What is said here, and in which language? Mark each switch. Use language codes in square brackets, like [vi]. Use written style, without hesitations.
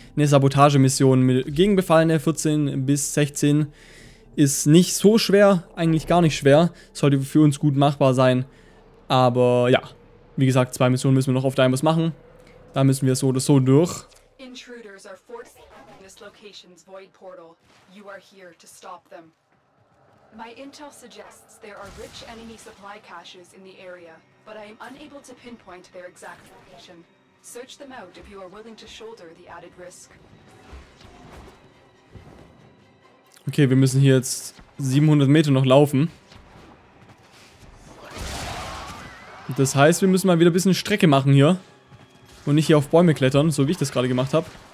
[de] Eine Sabotagemission gegen Befallene 14 bis 16 ist nicht so schwer, eigentlich gar nicht schwer. Sollte für uns gut machbar sein, aber ja, wie gesagt, zwei Missionen müssen wir noch auf Deimos machen. Da müssen wir so oder so durch. [en] Intruders are forcing this location's void portal. You are here to stop them. My intel suggests there are rich enemy supply caches in the area, but I am unable to pinpoint their exact location. Search them out if you are willing to shoulder the added risk. [de] Okay, wir müssen hier jetzt 700 Meter noch laufen. Das heißt, wir müssen mal wieder ein bisschen Strecke machen hier. Und nicht hier auf Bäume klettern, so wie ich das gerade gemacht habe.